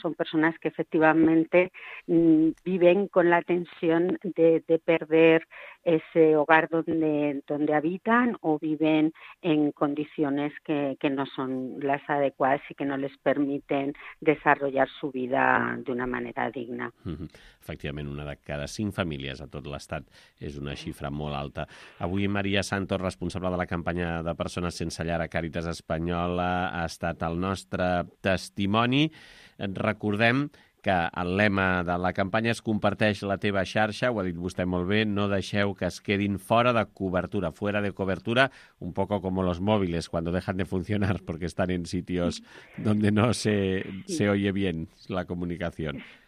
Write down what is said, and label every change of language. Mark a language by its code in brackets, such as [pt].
[es] Son personas que efectivamente viven con la tensión de perder ese hogar donde habitan o viven en condiciones que no son las adecuadas y que no les permiten desarrollar su vida de una manera digna. [ca] Efectivament, una de cada cinc famílies a tot l'estat és una xifra molt alta. Avui Maria Santos, responsable de la campanya de persones sense llar a Càritas Espanyola, ha estat el nostre testimoni. Recordem que el lema de la campanya és comparteix la teva xarxa, ho ha dit vostè molt bé, no deixeu que es quedin [es] fuera de cobertura, un poco como los móviles cuando dejan de funcionar porque están en sitios donde no se oye bien la comunicación.